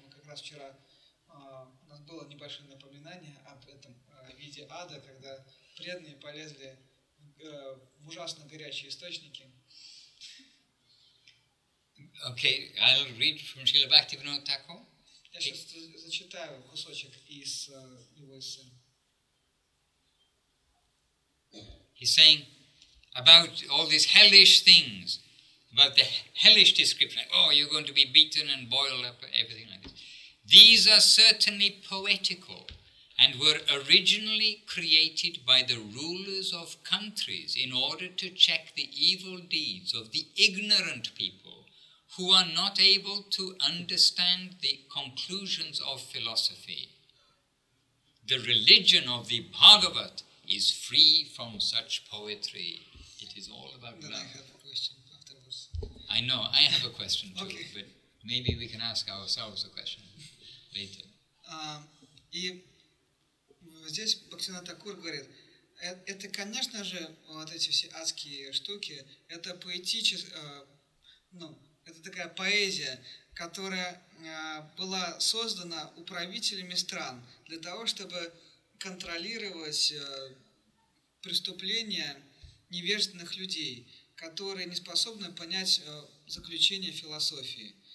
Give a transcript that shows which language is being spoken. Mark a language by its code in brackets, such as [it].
[ru] Мы как раз вчера, у нас было небольшое напоминание об этом виде ада, когда преданные полезли в ужасно горячие источники. [en] Окей, okay, I'll read from Srila Bhaktivinoda Thakur. [ru] Я сейчас зачитаю кусочек из его эссе. [en] He's saying about all these hellish things, about the hellish description, like, oh, you're going to be beaten and boiled up, everything like this. These are certainly poetical and were originally created by the rulers of countries in order to check the evil deeds of the ignorant people who are not able to understand the conclusions of philosophy. The religion of the Bhagavat is free from such poetry. It is all about then love. I have a question afterwards. I know, I have a question too, okay. But maybe we can ask ourselves a question later. [ru] И здесь Бхактивинода Такур говорит, это, конечно же, вот эти все адские штуки, это поэтическая, ну, это такая поэзия, которая была создана управителями стран для того, чтобы контролировать преступления невежественных людей, которые не способны понять заключение философии.